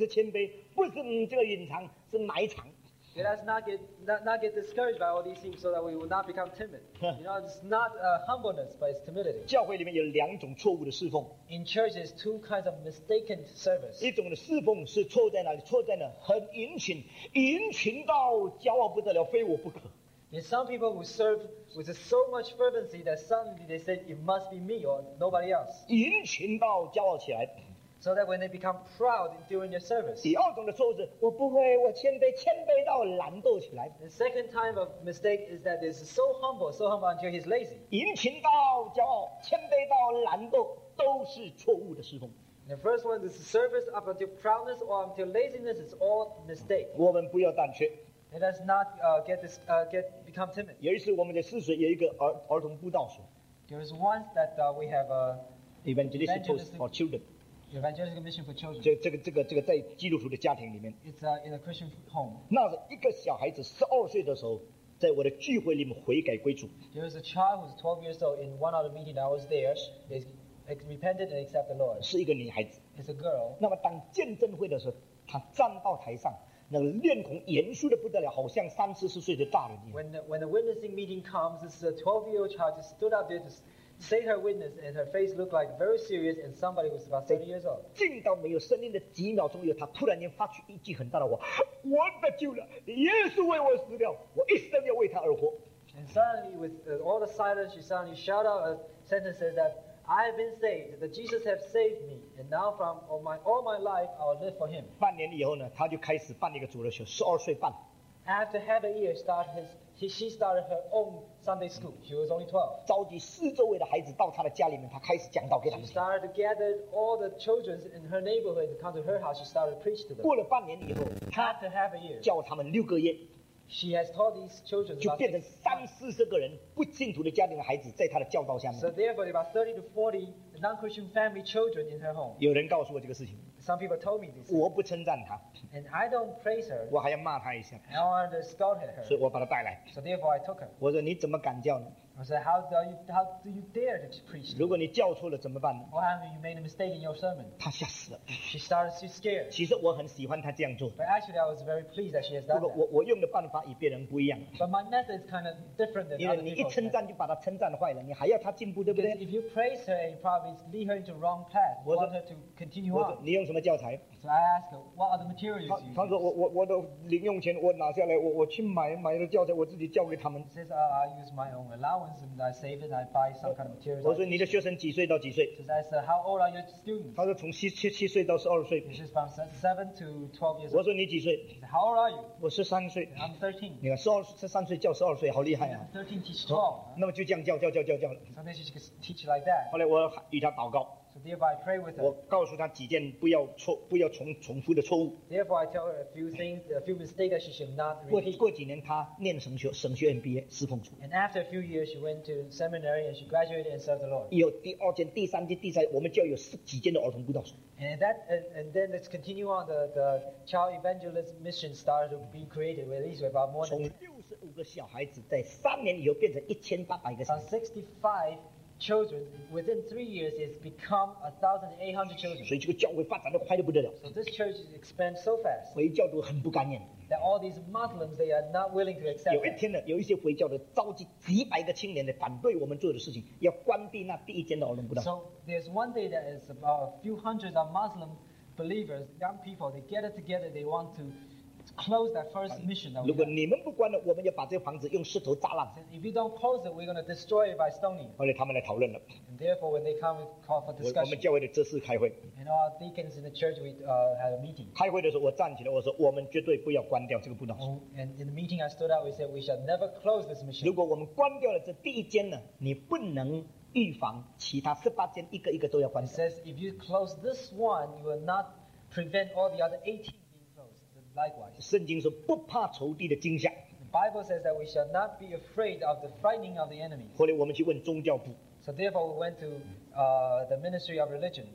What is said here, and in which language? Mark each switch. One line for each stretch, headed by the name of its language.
Chinese: 你不要因仇敌的惊吓,世界的困难,前辈的成就吓死了,以致感觉,主啊,我很谦卑,不是谦卑,不是这个隐藏,是埋藏。
English: Let us not get discouraged by all these things so that we will not become timid. You know, it's not humbleness, but it's timidity.
Chinese: 教会里面有两种错误的侍奉。
English: In churches, two kinds of mistaken service.
Chinese: 一种的侍奉是错在哪里?错在哪里?很殷勤, 殷勤到骄傲不得了, 非我不可。
English: And some people who serve with so much fervency that suddenly they say, it must be me or nobody else.
Chinese: 殷勤到骄傲起来。
English: So that when they become proud during their service.
Chinese: 第二种的错误是, 我不会, 我谦卑, 谦卑到懒惰起来。
English: The second time of mistake is that it's so humble until he's lazy.
Chinese: 殷勤到骄傲, 谦卑到懒惰, 都是错误的侍奉。
English: The first one is service up until proudness or until laziness is all mistake.
Chinese: 我们不要胆怯。
English: Let us not become timid.
Chinese: 有一次我们在四岁有一个儿童布道所。
English: There is once that we have a evangelistic post for children. Evangelistic mission for children.
Chinese: 这个在基督徒的家庭里面。
English: It's in a Christian home.
Chinese: 那是一个小孩子12岁的时候, 在我的聚会里面悔改归主。
English: There was a child who was 12 years old in one of the meetings I was there. They repented and accepted the Lord.
Chinese: 是一个女孩子。
English: It's a girl.
Chinese: 那么当见证会的时候, 她站到台上,那个脸孔严肃的不得了，好像三四十岁的大人一样。
English: When the witnessing meeting comes, this is a 12-year-old child who stood up there to say her witness, and her face looked like very serious. And somebody who was about 30 years old.
Chinese: 进到没有声音的几秒钟以后，他突然间发出一句很大的话：“我得救了，耶稣为我死掉，我一生要为他而活。”
English: And suddenly, with all the silence, she suddenly shouted out a sentence that. I have been saved. That Jesus has saved me, and now from all my life, I'll live for Him.
Chinese: 半年以后呢，他就开始办一个主日学，十二岁半。
English: After half a year, she started her own Sunday school. She was only 12.
Chinese: 召集四周围的孩子到他的家里面，他开始讲道给他们。
English: She started to gather all the children in her neighborhood to come to her house. She started to preach to them.
Chinese: 过了半年以后
English: ，After half a year,
Chinese: 教他们六个月。
English: She has taught these children.
Chinese: 就变成三四十个人不信徒的家庭的孩子，在他的教导下面。
English: So therefore, about 30 to 40 non-Christian family children in her home.
Chinese: 有人告诉我这个事情。
English: Some people told me this.
Chinese: 我不称赞他。
English: And I don't praise her.
Chinese: 我还要骂他一下。
English: I want to scold her.
Chinese: 所以我把他带来。
English: So therefore, I took her.
Chinese: 我说你怎么敢教呢？
English: I said, how do you dare to preach?
Chinese: 如果你教错了怎么办呢？
English: What happened if you made a mistake in your sermon?
Chinese: 他吓死了。
English: She started to be scared.
Chinese: 其实我很喜欢他这样做。
English: But actually, I was very pleased that she has done that.
Chinese: 不过我用的办法与别人不一样。
English: But my method is kind of different than other people.
Chinese: 因为你一称赞就把他称赞坏了，你还要他进步，对不对？
English: Because if you praise her, you probably lead her into wrong path. You want her to continue on.
Chinese: 你用什么教材？
English: So I asked her, what are the materials you use?
Chinese: 他说我的零用钱我拿下来，我去买了教材，我自己教给他们。
English: She says, I use my own allowance. And I save it. I buy some kind of materials.
Chinese: 我说你的学生几岁到几岁？
English: So I said, how old are your students?
Chinese: 他说从七岁到十二岁。
English: He says from 7 to 12 years old.
Chinese: 我说你几岁？
English: He said, how old are you?
Chinese: 我十三岁。
English: I'm 13.
Chinese: 你看十三岁教十二岁，好厉害啊！
English: 13 teach 12.
Chinese: 那么就这样教了。
English: Sometimes you just teach like that.
Chinese: 后来我与他祷告。
English: So therefore, I pray with her.
Chinese: 我告诉他几件不要重复的错误。
English: Therefore, I tell her a few things, a few mistakes that she should not repeat.
Chinese: 过几年，他念神学院毕业，侍奉主。
English: And after a few years, she went to seminary and she graduated and served the Lord.
Chinese: 有第二件、第三件、第三，我们教有十几件的儿童布道。
English: And then let's continue on the child evangelism mission started to be created with at least about more than
Chinese: 65个小孩子，在三年以后变成1800个。
English: From 65. Children within 3 years, it's become 1,800 children.
Chinese: 所以这个教会发展的快得不得了。
English: So this church expands so fast.
Chinese: 回教徒很不甘愿。
English: That all these Muslims, they are not willing to accept.
Chinese: 有一天呢，有一些回教的召集几百个青年的反对我们做的事情，要关闭那第一间的儿童布道。
English: So there's one day that is about a few hundreds of Muslim believers, young people, they gather together, they want to. Close that first mission. That
Chinese: 如果你们不关了，我们就把这房子用石头砸烂。
English: If you don't close it, we're going to destroy it by stoning.
Chinese: 后来他们来讨论了。
English: And therefore, when they come, we call for discussion.
Chinese: 我们教会的执事开会。
English: And our deacons in the church, we had a meeting.
Chinese: 开会的时候，我站起来，我说我们绝对不要关掉这个布道。
English: And in the meeting, I stood up. We said we shall never close this mission.
Chinese: 如果我们关掉了这第一间呢，你不能。预防其他十八间一个一个都要关掉。
English: It says if you close this one, you will not prevent all the other 18. Likewise,
Chinese: 圣经说不怕仇敌的惊吓。
English: The Bible says that we shall not be afraid of the frightening of the enemy.
Chinese: 后来我们去问宗教部。
English: So therefore we went to the Ministry of Religion.